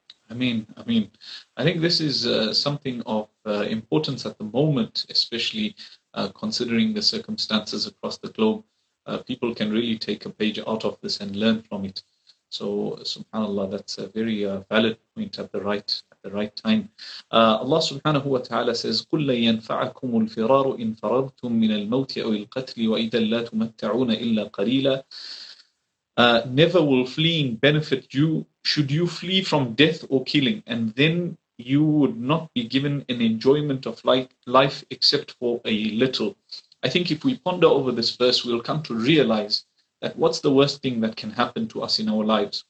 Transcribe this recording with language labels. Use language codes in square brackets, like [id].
[en] I mean, I think this is something of importance at the moment, especially considering the circumstances across the globe. People can really take a page out of this and learn from it. So, subhanAllah, that's a very valid point at the right time. [ar] Allah subhanahu wa ta'ala says, قُلْ لَيَنْفَعَكُمُ الْفِرَارُ إِنْ فَرَرْتُمْ مِنَ الْمَوْتِ أَوِ الْقَتْلِ وَإِذًا لَا تُمَتَّعُونَ إِلَّا قَلِيلًا. [en] Never will fleeing benefit you should you flee from death or killing, and then you would not be given an enjoyment of life except for a little. I think if we ponder over this verse, we'll come to realize that what's the worst thing that can happen to us in our lives?